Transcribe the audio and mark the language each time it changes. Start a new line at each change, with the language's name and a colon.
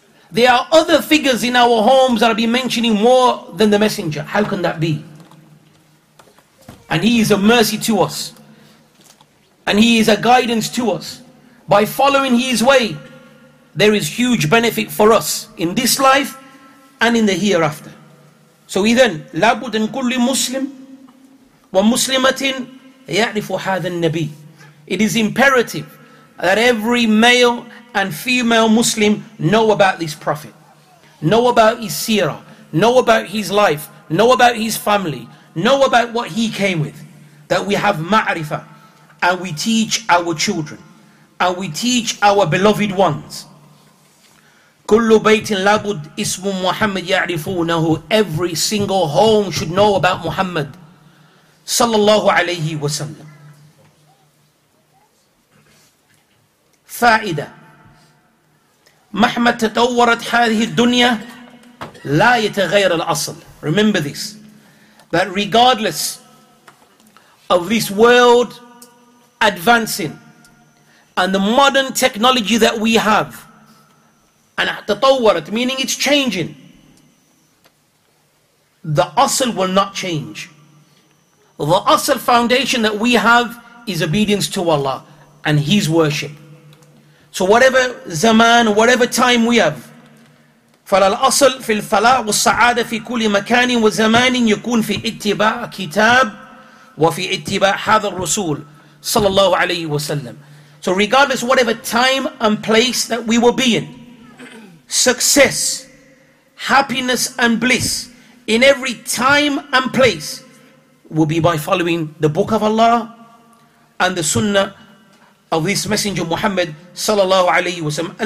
English: There are other figures in our homes that are being mentioning more than the messenger. How can that be? And he is a mercy to us. And he is a guidance to us. By following his way, there is huge benefit for us in this life and in the hereafter.
Arabic: So إذن لابد أن كل مسلم ومسلمة يعرف هذا النبي.
English: It is imperative that every male and female Muslim know about this prophet, know about his seerah, know about his life, know about his family, know about what he came with. That we have ma'rifah and we teach our children and we teach our beloved ones.
Arabic: كل بيت لابد اسم محمد يعرفونه.
English: Every single home should know about Muhammad sallallahu alayhi wa sallam.
Arabic: فائدة مهما تطورت هذه الدنيا لا يتغير الأصل.
English: Remember this, that regardless of this world advancing and the modern technology that we have, and تطورت meaning it's changing, the أصل will not change. The أصل foundation that we have is obedience to Allah and His worship. So whatever zaman, whatever time we have,
Arabic: فَلَا الْأَصَلْ فِي الْفَلَاعُ وَالسَّعَادَ فِي كُلِ مَكَانٍ وَزَمَانٍ يَكُونْ فِي اِتِّبَاعَ كِتَابٍ وَفِي اِتِّبَاعَ هَذَا الرَّسُولِ صَلَى اللَّهُ عَلَيْهِ وَسَلَّمْ.
English: So regardless whatever time and place that we will be in, success, happiness and bliss in every time and place will be by following the book of Allah and the sunnah of this messenger Muhammad sallallahu alayhi wa sallam.